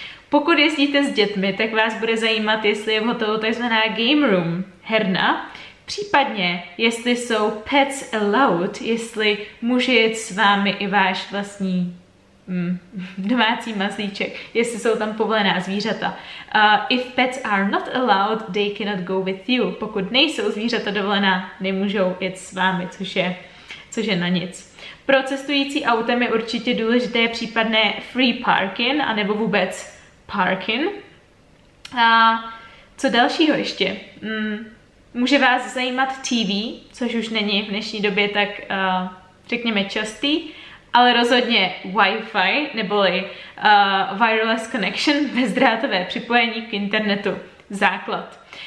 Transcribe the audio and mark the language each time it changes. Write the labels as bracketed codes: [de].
[cs] Pokud jezdíte s dětmi, tak vás bude zajímat, jestli je v hotelu takzvaná [en] game room, [cs] herna, případně jestli jsou [en] pets allowed, [cs] jestli může jít s vámi i váš vlastní domácí maslíček, jestli jsou tam povolená zvířata. [en] If pets are not allowed, they cannot go with you. [cs] Pokud nejsou zvířata dovolená, nemůžou jít s vámi, což je na nic. Pro cestující autem je určitě důležité případné [en] free parking, [cs] anebo vůbec parking. A co dalšího ještě? Může vás zajímat TV, což už není v dnešní době tak, řekněme, častý, ale rozhodně Wi-Fi, neboli [en] wireless connection, [cs] bezdrátové připojení k internetu, základ.